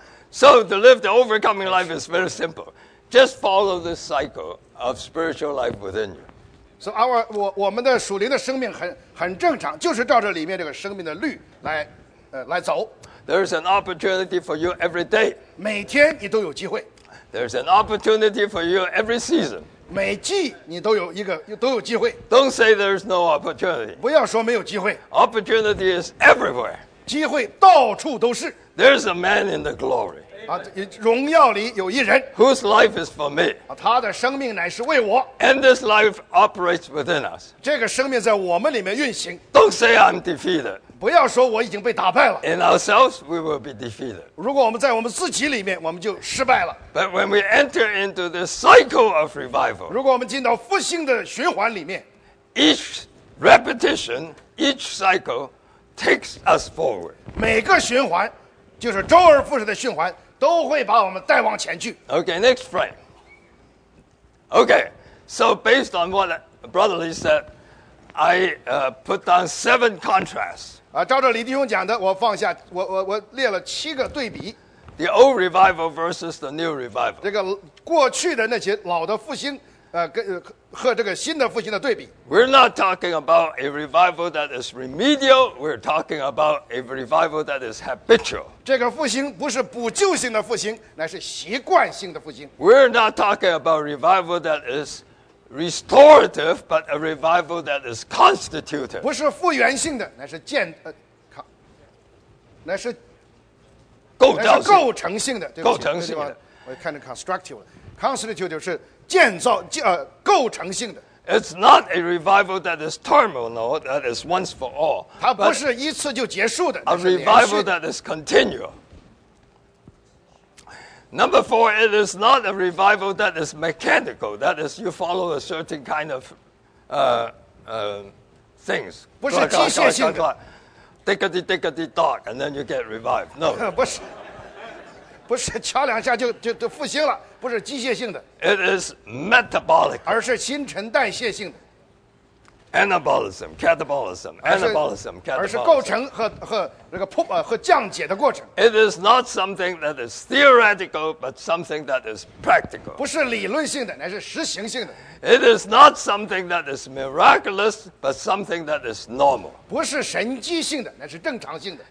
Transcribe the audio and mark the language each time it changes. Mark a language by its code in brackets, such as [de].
[en] So to live the overcoming life is very simple. Just follow the cycle of spiritual life within you. So our, [zh] 我们的属灵的生命很正常，就是照着里面这个生命的律来走。 [en] There is an opportunity for you every day. [zh] 每天你都有机会。 [en] There is an opportunity for you every season. [zh] 每季你都有机会。 [en] Don't say there is no opportunity. [zh] 不要说没有机会。 [en] Opportunity is everywhere. [zh] 机会到处都是。 [en] There is a man in the glory. [zh] 荣耀里有一人 [en] whose life is for me. [zh] 他的生命乃是为我 [en] And this life operates within us. [zh] 这个生命在我们里面运行 [en] Don't say I'm defeated. [zh] 不要说我已经被打败了 [en] In ourselves, we will be defeated. [zh] 如果我们在我们自己里面，我们就失败了 [en] But when we enter into the cycle of revival, [zh] 如果我们进到复兴的循环里面 [en] each repetition, each cycle takes us forward. [zh] 每个循环就是周而复始的循环都会把我们带往前去 [en] Okay, next frame Okay, so based on what Brother Lee said I put down seven contrasts [zh] 照着李弟兄讲的我放下 我列了七个对比 [en] The old revival versus the new revival [zh] 这个过去的那些老的复兴和这个新的复兴的对比 [en] We're not talking about a revival that is remedial We're talking about a revival that is habitual [zh] 这个复兴不是补救性的复兴乃是习惯性的复兴 [en] We're not talking about a revival that is restorative But a revival that is constitutive [zh] 不是复原性的乃是建乃是构造性乃是构成性的构成性的我看着 [en] constructive Constitutive [zh] 就是建造构成性的 [en] It's not a revival that is terminal That is once for all [zh] 它不是一次就结束的 [en] A revival that is continual Number four It is not a revival that is mechanical That is you follow a certain kind of things [zh] 不是机械性的 [en] Tickety tickety dog And then you get revived No [zh] 不是敲两下就复兴了不是机械性的 [en] It is metabolic [zh] 而是新陈代谢性的 [en] Anabolism, catabolism, anabolism, catabolism [zh] 而是构成 和降解的过程 [en] It is not something that is theoretical But something that is practical [zh] 不是理论性的乃是实行性的 [en] It is not something that is miraculous But something that is normal [zh] 不是神迹性的乃是正常性的